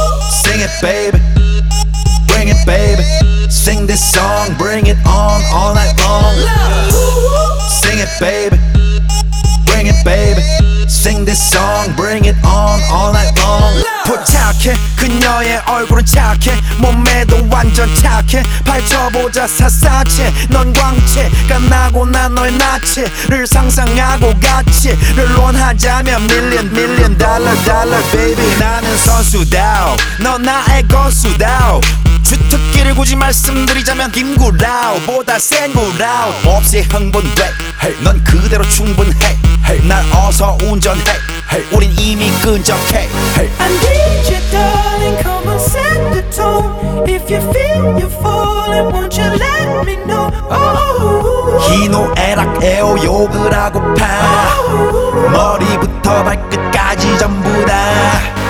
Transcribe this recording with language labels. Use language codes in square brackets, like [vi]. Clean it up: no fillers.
[en] Sing it, baby. Bring it, baby. Sing this song, bring it on all night long. Sing it, baby. Baby, sing this song, bring it on all night long. [ko] 포착해 그녀의 얼굴은 착해 몸매도 완전 착해 펼쳐보자 샅샅이 넌 광채가 나고 난 너의 낯을 상상하고 가치를 논하자면 [en] million million dollar dollar baby. [ko] 나는 선수다오 너 나의 거수다오 주특기를 굳이 말씀드리자면 김구라오보다 센구라오. 없이 흥분돼 hey, 넌 그대로 충분해 hey, 날 어서 운전해 hey, 우린 이미 끈적해 hey. [en] I need you darling, come on set the tone. If you feel you're falling, won't you let me know. [ko] 희노애락 애호욕을 하고 파 머리부터 발끝까지 전부 다.